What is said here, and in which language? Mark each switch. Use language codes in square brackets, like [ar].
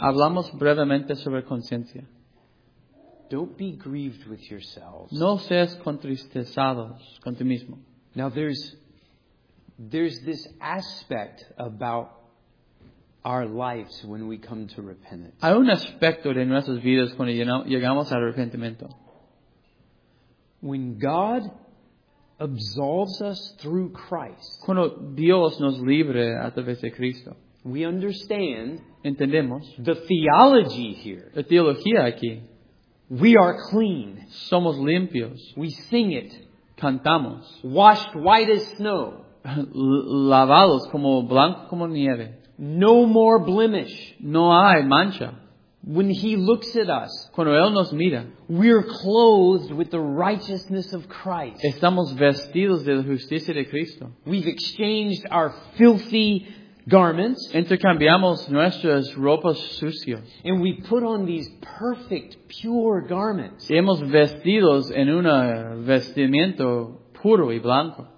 [es] Hablamos brevemente sobre conciencia. [en] Don't be grieved with yourselves. [es] No seas contristezados con ti mismo. [en] Now there's this aspect about our lives when we come to repentance. [es] Hay un aspecto de nuestras vidas cuando llegamos al arrepentimiento. [en] When God absolves us through Christ. [es] Cuando Dios nos libre a través de Cristo. [en] We understand. [es] Entendemos. [en] The theology here. [es] La teología aquí. [en] We are clean. [es] Somos limpios. [en] We sing it. [es] Cantamos. [en] Washed white as snow. [es] Lavados como blanco como nieve. [en] No more blemish. [es] No hay mancha. [en] When he looks at us. [es] Cuando él nos mira. [en] We are clothed with the righteousness of Christ. [es] Estamos vestidos de la justicia de Cristo. [en] We've exchanged our filthy garments. [es] Intercambiamos nuestras ropas sucias. [en] And we put on these perfect, pure garments. [es] Y hemos vestidos en un vestimiento puro y blanco.